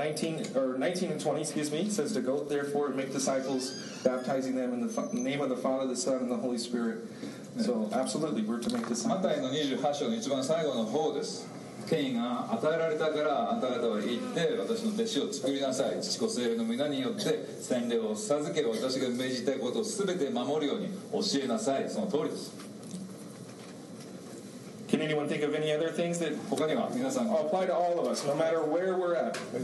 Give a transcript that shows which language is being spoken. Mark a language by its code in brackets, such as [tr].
[en] 19 and 20, excuse me, says to go therefore and make disciples, baptizing them in the name of the Father, the Son, and the Holy Spirit. So absolutely, we're to make disciples. [ja] マタイの28章の一番最後の方です。権威が与えられたからあんた方は行って私の弟子を作りなさい。父子聖霊の皆によって洗礼を授け私が命じたいことをすべて守るように教えなさい。その通りです。 [en] Can anyone think of any other things that apply to all of us, no matter where we're at?